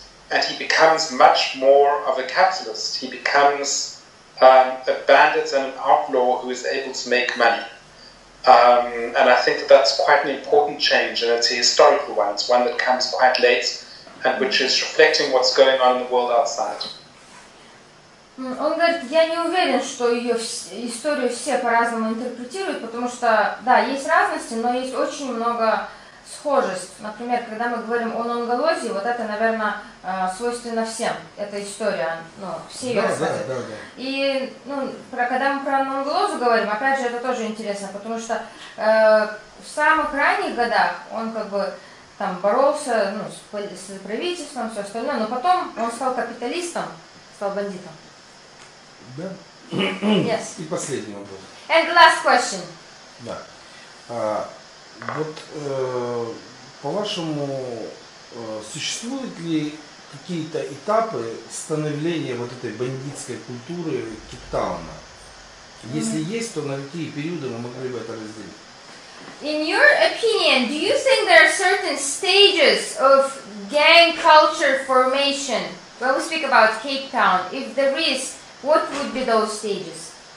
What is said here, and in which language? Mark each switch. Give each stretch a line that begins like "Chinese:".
English: And he becomes much more of a capitalist. He becomes a bandit and an outlaw who is able to make money. And I think that that's quite an important change, and it's a historical one. It's one that comes quite late, and which is reflecting what's going on in the world outside.
Russian: Он говорит, я не уверен, что ее историю все по-разному интерпретируют, потому что, да, есть разности, но есть очень много схожеств. Например, когда мы говорим о Нонголозе, вот это, наверное, свойственно всем, эта история, ну, все ее рассказывают. Да, да, да, да. И, ну, когда мы про Нонголозу говорим, опять же, это тоже интересно, потому что в самых ранних годах он как бы там боролся, ну, с правительством, все остальное, но потом он стал капиталистом, стал бандитом. Да?
English: Yes.
Russian: И последний вопрос.
English: And the last question.
Russian: Да. Вот, по-вашему, существуют ли какие-то этапы становления вот этой бандитской культуры Кейптауна? Mm-hmm. Если есть, то на какие периоды мы могли бы это разделить?
English: In your opinion, do you think there are certain stages of gang culture formation? When we speak about Cape Town, if there is, what would be those stages?